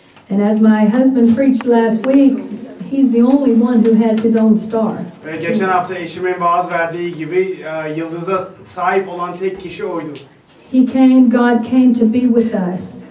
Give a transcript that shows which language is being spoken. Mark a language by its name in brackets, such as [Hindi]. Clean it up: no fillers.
[English] And as my husband preached last week, he's the only one who has his own star. [Turkish] Ve geçen hafta eşimin vaaz verdiği gibi yıldıza sahip olan tek kişi oydu. [English] He came, God came to be with us.